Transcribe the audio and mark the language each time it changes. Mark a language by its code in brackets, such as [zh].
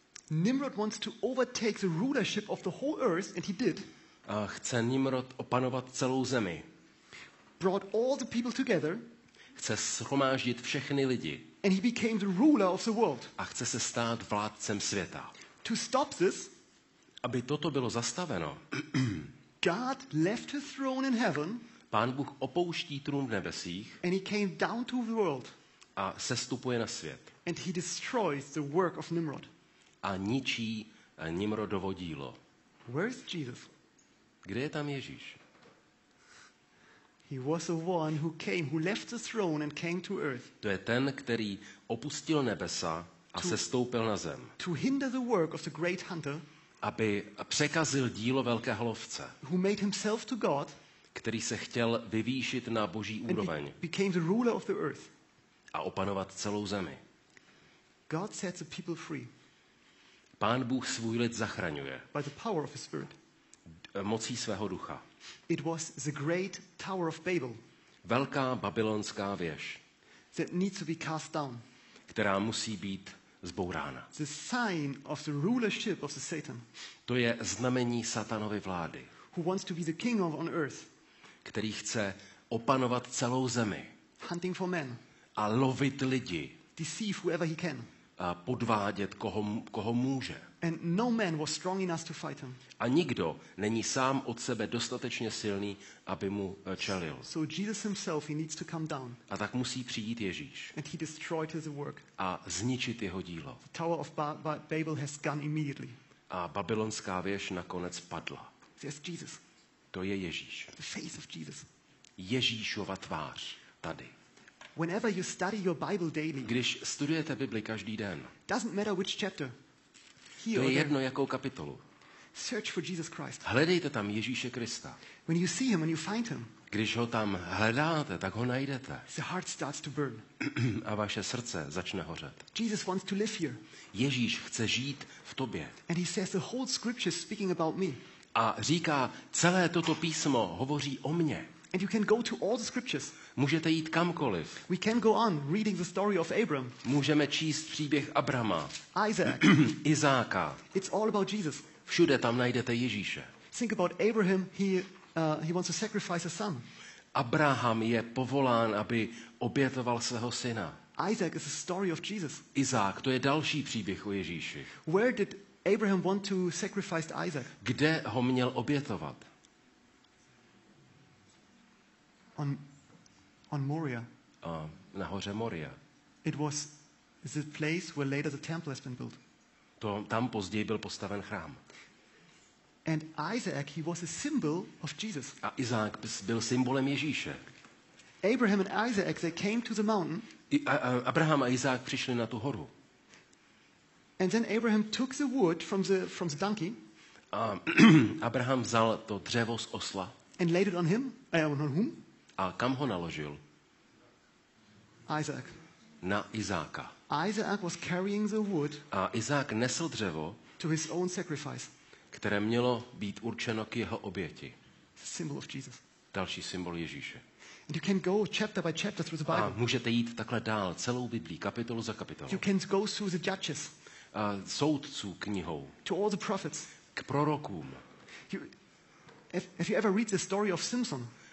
[en] Nimrod wants to overtake the rulership of the whole earth, and he did. [cs] A chce Nimrod opanovat celou zemi. [en] Brought all the people together. [cs] Chce shromáždit všechny lidi. [en] And he became the ruler of the world. [cs] A chce se stát vládcem světa. [en] To stop this, [cs] aby toto bylo zastaveno. [en] God left his throne in heaven. [cs] Pán Bůh opouští trůn v nebesích. [en] And he came down to the world. [cs] A sestupuje na svět. [en] And he destroys the work of Nimrod. [cs] A ničí Nimrodovo dílo. [en] Where is Jesus? [cs] Kde je tam Ježíš? [en] He was the one who came, who left the throne and came to earth. [cs] To je ten, který opustil nebesa a sestoupil na zem. [en] To hinder the work of the great hunter. [cs] Aby překazil dílo velkého lovce, [en] who made himself to God, [cs] který se chtěl vyvýšit na boží úroveň [en] became the ruler of the earth. [cs] A opanovat celou zemi. [en] God sets the people free. [cs] Pán Bůh svůj lid zachraňuje [en] by the power of his spirit. [cs] Mocí svého ducha. [en] It was the great Tower of Babel, [cs] velká babylonská věž, [en] that needs to be cast down. [cs] Která musí být zbourána. [en] The sign of the rulership of the Satan. [cs] To je znamení Satanovy vlády. [en] Who wants to be the king of on earth? [cs] Který chce opanovat celou zemi. [en] Hunting for men. [cs] A lovit lidi. [en] Deceive whoever he can. [cs] A podvádět koho může. [en] And no man was strong enough to fight him. [cs] A nikdo není sám od sebe dostatečně silný, aby mu čelil. [en] So Jesus himself, he needs to come down. [cs] A tak musí přijít Ježíš. [en] And he destroyed his work. [cs] A zničit jeho dílo. [en] The Tower of Babel has gone immediately. [cs] A babylonská věž nakonec padla. [en] There's Jesus. [cs] To je Ježíš. [en] The face of Jesus. [cs] Ježíšova tvář tady. [en] Whenever you study your Bible daily. [cs] Když studujete Bibli každý den. [en] Doesn't matter which chapter. [cs] To je jedno, jakou kapitolu. [en] Search for Jesus Christ. [cs] Hledejte tam Ježíše Krista. [en] When you see him, when you find him. [cs] Když ho tam hledáte, tak ho najdete. [en] The heart starts to burn. [cs] A vaše srdce začne hořet. [en] Jesus wants to live here. [cs] Ježíš chce žít v tobě. [en] And he says the whole scripture speaking about me. [cs] A říká, celé toto písmo hovoří o mně. [en] And you can go to all the scriptures. [cs] Můžete jít kamkoliv. [en] We can go on reading the story of Abraham. [cs] Můžeme číst příběh Abrahama. [en] Isaac. [cs] Izáka. [en] It's all about Jesus. [cs] Všude tam najdete Ježíše. [en] Think about Abraham. He wants to sacrifice a son. [cs] Abraham je povolán, aby obětoval svého syna. [en] Isaac is the story of Jesus. [cs] Izák, to je další příběh o Ježíši. [en] Where did Abraham want to sacrifice Isaac? [cs] Kde ho měl obětovat? [en] On Moria. [cs] Nahoře Moria. [en] It was the place where later the temple has been built. [cs] To tam později byl postaven chrám. [en] And Isaac, he was a symbol of Jesus. [cs] A Izák byl symbolem Ježíše. [en] Abraham and Isaac, they came to the mountain. [cs] Abraham a Izák přišli na tu horu. [en] And then Abraham took the wood from the donkey. [cs] A Abraham vzal to dřevo z osla. [en] And laid it on him. On whom? [cs] A kam ho naložil? [en] Isaac. [cs] Na Izáka. [en] Isaac was carrying the wood. [cs] A Izák nesl dřevo. [en] To his own sacrifice. [cs] Které mělo být určeno k jeho oběti. [en] Symbol of Jesus. [cs] Další symbol Ježíše. [en] And you can go chapter by chapter through the Bible. [cs] A můžete jít takhle dál, celou Biblii, kapitolu za kapitolou. [en] You can go through the Judges. [cs] A soudců knihou. [en] To all the prophets. [cs] K prorokům. [en] Have you ever read the story of Samson?